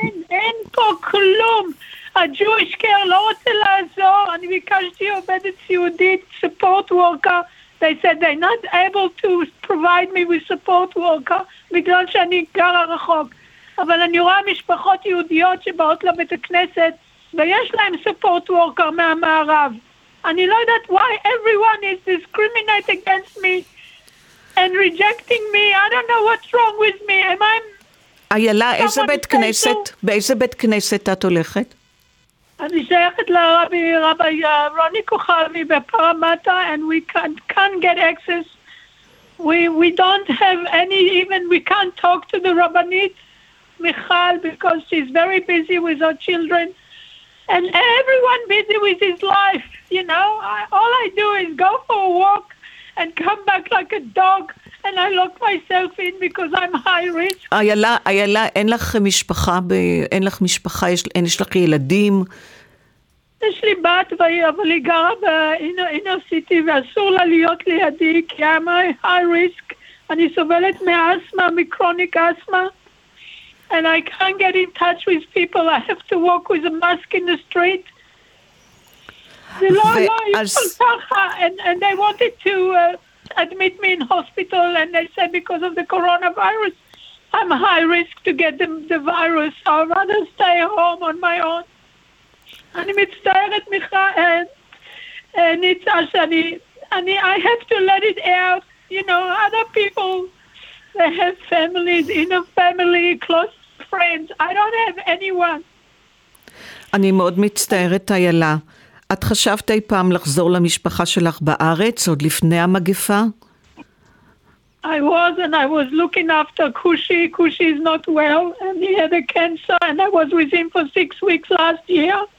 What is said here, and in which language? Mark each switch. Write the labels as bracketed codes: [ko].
[he] אין פה כלום. ה-Jewish care לא רוצה לעזור. אני ביקשתי עובדת סיעודית, support worker. [en] They said they're not able to provide me with support worker [he] בגלל שאני גרה רחוק. אבל אני רואה משפחות יהודיות שבאות לבית הכנסת, ויש להם support worker מהמערב. אני לא יודעת [en] why everyone is discriminating against me and rejecting me. I don't know what's wrong with me. Am I... [he] איילה, איזה בית כנסת? באיזה בית כנסת את הולכת? אני שייכת לרבי, רבי רוני כוחלמי בפרמטה, [en] and we can't get access. We don't have any, even we can't talk to the רבנית, מיכל, because she's very busy with her children. And everyone busy with his life, you know. All I do is go for a walk and come back like a dog and I lock myself in because I'm high risk. [he] איילה, אין לך משפחה, אין לך משפחה, יש לך ילדים? יש לי בת, אבל היא גרה באינר סיטי ואסור לה להיות לידי כי [en] I'm high risk. [he] אני סובלת מאסמה, מקרוניק אסמה. [en] And I can't get in touch with people. I have to walk with a mask in the street. The law is [he] ככה. [en] And they wanted to admit me in hospital. And they said because of the coronavirus, I'm high risk to get the virus. So I'd rather stay home on my own. [he] אני מצטערת, מיכל, ניצה שאני, [en] I have to let it out. You know, other people, they have families, inner family, close family. Friends, I don't have anyone. [he] אני מאוד מצטערת, איילה. את חשבת אי פעם לחזור למשפחה שלך בארץ עוד לפני המגפה? [en] I was and I was looking after Kushi. Kushi is not well and he had a cancer and I was with him for 6 weeks last year.